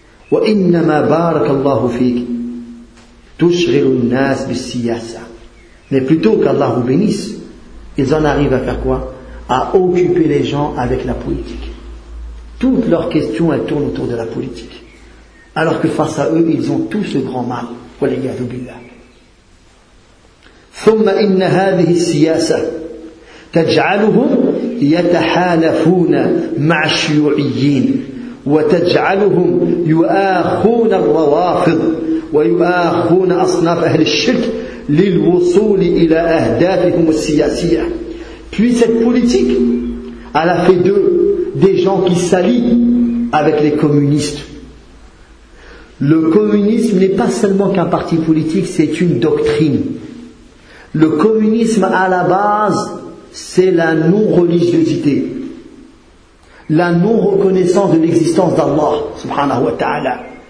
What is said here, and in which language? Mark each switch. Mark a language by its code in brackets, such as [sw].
[ar] وَإِنَّمَا بَارَكَ اللَّهُ فِيكَ تُشْغِلُ النَّاسِ بِالسِّيَاسَةِ. [fr] Mais plutôt qu'Allah vous bénisse, ils en arrivent à faire quoi? À occuper les gens avec la politique. Toutes leurs questions, elles tournent autour de la politique. Alors que face à eux, ils ont tout ce grand mal. [ar] وَلَيَّذُ بِاللَّهِ ثُمَّ إِنَّ هَذِهِ السِّيَاسَةِ تجعلهم يتحالفون مع الشيوعيين وتجعلهم يؤاخون الروافض ويؤاخون أصناف أهل الشرك للوصول إلى أهدافهم السياسية. [fr] Puis cette politique, elle a fait d'eux des gens qui s'allient avec les communistes. Le communisme n'est pas seulement qu'un parti politique, c'est une doctrine. Le communisme à la base, c'est la non-religiosité, la non-reconnaissance de l'existence d'Allah subhanahu wa ta'ala.